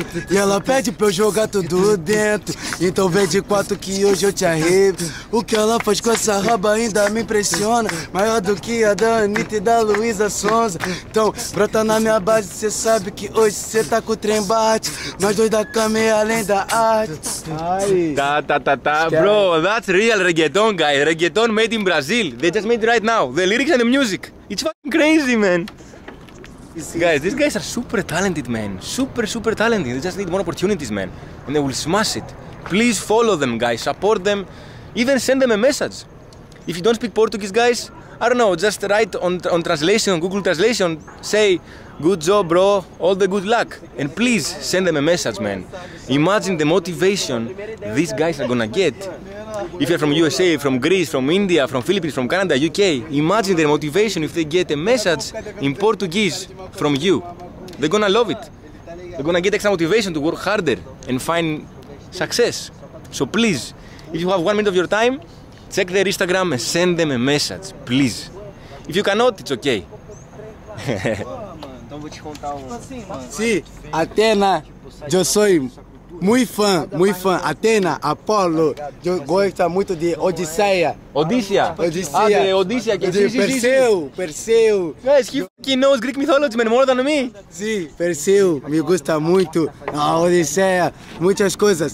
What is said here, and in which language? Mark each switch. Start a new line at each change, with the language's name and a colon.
Portuguese: E ela pede pra eu jogar tudo dentro. Então vem de quatro que hoje eu te arrepio. O que ela faz com essa raba ainda me impressiona. Maior do que a da Anitta e da Luísa Sonza. Então, brota na minha base, cê sabe que hoje cê tá com o trem bate. Nós dois da cama e além da arte. Ai.
English: Ta-ta-ta-ta, bro, that's real reggaeton, guys. Reggaeton made in Brazil. They just made it right now. The lyrics and the music. It's fucking crazy, man. Guys, these guys are super talented, man. Super, super talented. They just need more opportunities, man. And they will smash it. Please follow them, guys. Support them. Even send them a message. If you don't speak Portuguese, guys, I don't know, just write on translation, Google Translation, say, good job, bro, all the good luck. And please send them a message, man. Imagine the motivation these guys are gonna get. If you're from USA, from Greece, from India, from Philippines, from Canada, UK, imagine their motivation if they get a message in Portuguese from you. They're gonna love it. They're gonna get extra motivation to work harder and find success. So please, if you have 1 minute of your time, check their Instagram and send them a message, please. If you cannot, it's okay.
Portuguese: Sim, Atena, eu sou muito fã, Atena, Apolo, eu gosto muito de Odisseia. Odisseia? Odisseia. Ah, de Odisseia, que existe. Perseu, Perseu.
English: Guys, he fucking knows Greek mythology, man, more than me.
Portuguese: Sim, Perseu,
Spanish: me gusta
Portuguese: muito, Odisseia, muitas coisas.